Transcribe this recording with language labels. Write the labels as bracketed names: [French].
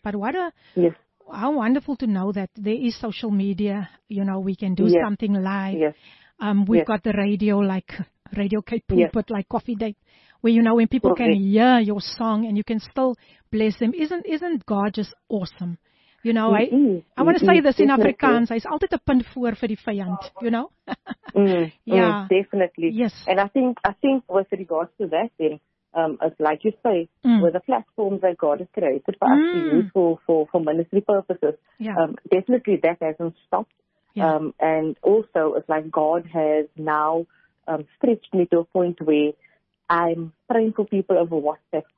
[English] But how wonderful to know that there is social media. You know, we can do something live. We've got the radio, like Radio Cape Pulpit, like Coffee Date, where, you know, when people can hear your song and you can still bless them. Isn't God just awesome? You know, I want to say this in Afrikaans. [Afrikaans] Hy is altyd 'n punt voor vir die vyand, [English] you know? Definitely. Yes. And I think with regards to that, then, it's like you say, with the platforms that God has created for us to use for ministry purposes, definitely that hasn't stopped. And also, it's like God has now stretched me to a point where I'm praying for people over WhatsApp.